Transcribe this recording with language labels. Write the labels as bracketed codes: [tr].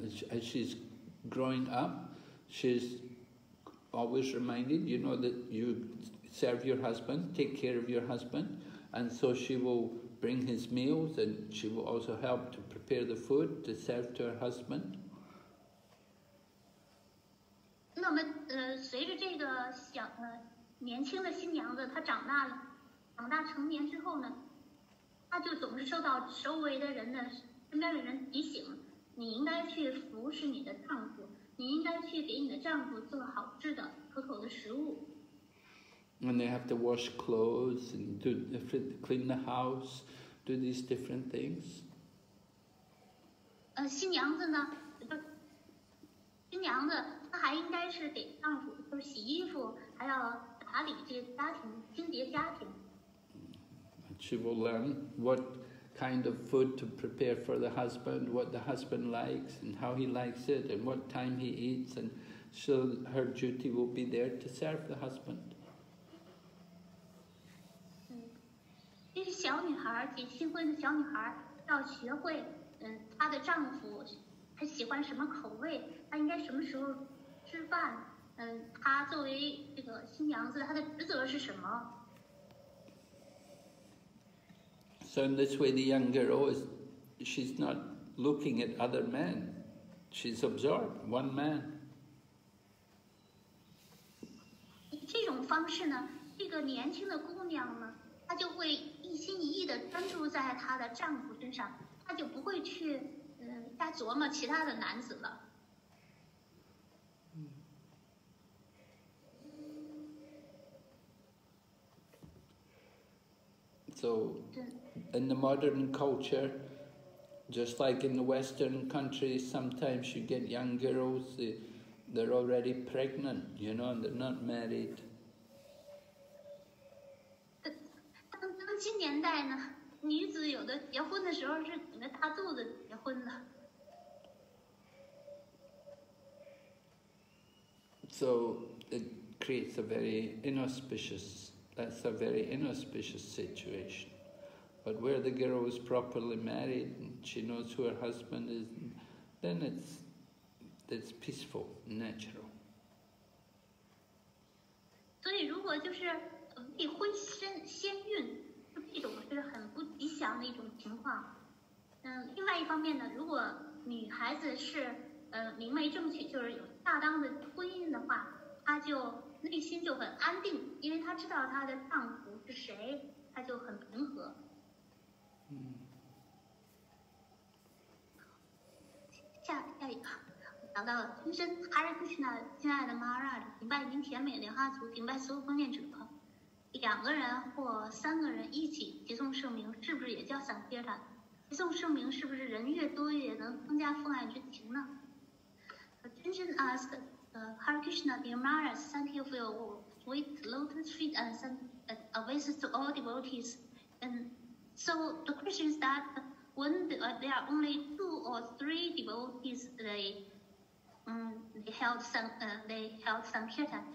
[en] As she's growing up, she's always reminded, you know, that you serve your husband, take care of your husband, and so she will bring his meals, and she will also help to prepare the food to serve to her husband. [zh] 那么，随着这个小，年轻的小女孩子，她长大成年之后呢？他就总是受到周围的人的身边的人提醒，你应该去服侍你的丈夫，你应该去给你的丈夫做好吃的、可口的食物。 [en] And they have to wash clothes and do different, clean the house, do these different things. [zh] 新娘子呢？新娘子她还应该是给丈夫就是洗衣服，还要打理这个家庭，清洁家庭。 [en] She will learn what kind of food to prepare for the husband, what the husband likes, and how he likes it, and what time he eats, and so her duty will be there to serve the husband. [zh] 这是小女孩，新婚的小女孩要学会，她的丈夫，她喜欢什么口味，她应该什么时候吃饭，她作为这个新娘子，她的职责是什么？ [en] So in this way, the young girl is, she's not looking at other men. She's absorbed, one man. [zh] 这种方式呢，这个年轻的姑娘呢，她就会一心一意地专注在她的丈夫身上，她就不会去，再琢磨其他的男子了。 [en] So, in the modern culture, just like in the Western countries, sometimes you get young girls, they're already pregnant, you know, and they're not married. [zh] 新年代呢，女子有的结婚的时候是顶着大肚子结婚的。 [en] So, it creates a very inauspicious, that's a very inauspicious situation. But where the girl is properly married and she knows who her husband is, then it's peaceful, natural. [zh] 所以如果就是未婚先先孕，这种是很不吉祥的一种情况。另外一方面呢，如果女孩子是明媒正娶，就是有恰当的婚姻的话，她就内心就很安定，因为她知道她的丈夫是谁，她就很平和。下一个，讲到了，真哈瑞克什纳，亲爱的 Maharaj， 顶拜您甜美莲花族，顶拜所有奉献者。两个人或三个人一起集诵圣名，是不是也叫散结坛？集诵圣名是不是人越多越能增加奉爱之情呢？ [en] 真 asked， Hare Krishna, dear Maharaj, thank you for your sweet lotus feet and send advice to all devotees. And so the question is that when there are only two or three devotees, they held sankirtan.